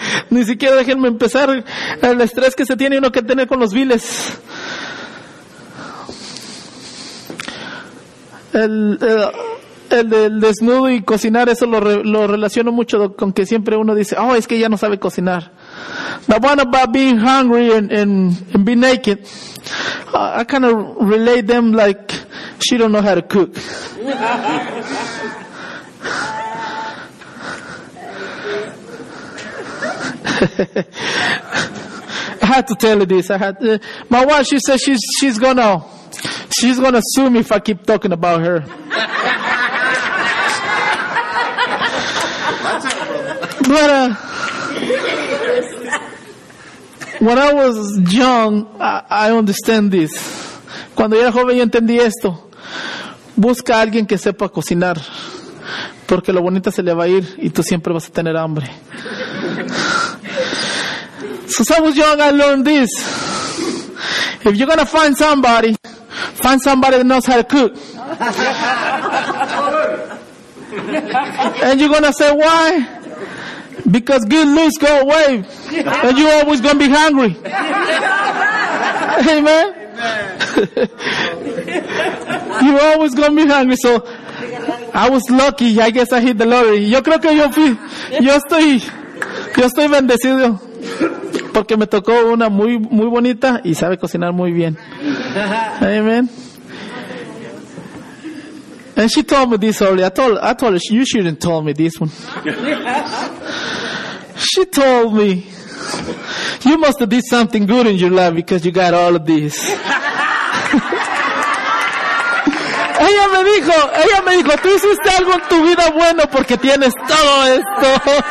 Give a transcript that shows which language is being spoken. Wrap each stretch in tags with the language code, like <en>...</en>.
<es>Ni siquiera déjenme empezar el estrés que se tiene uno que tener con los biles. El desnudo y cocinar, eso lo relaciono mucho con que siempre uno dice, oh, es que ya no sabe cocinar.</es> <en>The one about being hungry and being naked, I kind of relate them like she don't know how to cook. I had to tell you this. My wife, she says she's gonna sue me if I keep talking about her. But when I was young, I understand this.</en> <es>Cuando era joven, yo entendí esto. Busca a alguien que sepa cocinar, porque lo bonita se le va a ir y tú siempre vas a tener hambre.</es> <en>Since I was young, I learned this. If you're gonna find somebody that knows how to cook. And you're gonna say why? Because good looks go away. And you're always gonna be hungry. Amen. You're always gonna be hungry. So I was lucky, I guess I hit the lottery.</en> <es>Yo creo que yo estoy bendecido. Porque me tocó una muy muy bonita y sabe cocinar muy bien. Amen.</es> <en>And she told me this earlier. I told her, you shouldn't tell me this one. She told me, you must have did something good in your life because you got all of this.</en> <es>Ella me dijo, tú hiciste algo en tu vida bueno porque tienes todo esto.</es>